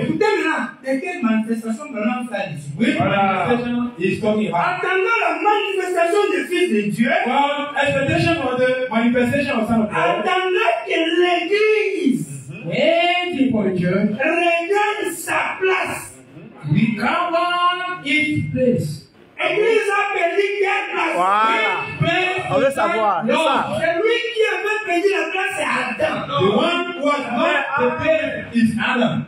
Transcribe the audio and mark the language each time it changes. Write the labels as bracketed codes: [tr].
[fr] Écoutez là, de quelle manifestation maintenant ça dit? Oui, voilà. [en] He's talking about. [fr] Attendant la manifestation des fils de Dieu. [en] Well, expectation of the manifestation of son of God. [fr] Attendant que l'Église. [en] Waiting for the church. [fr] Regagne sa place. [en] Recover its place. [fr] Église a perdu la place. Voilà. On veut savoir. Non. C'est lui qui avait perdu la place, c'est Adam. [en] The one who has not the place is Adam.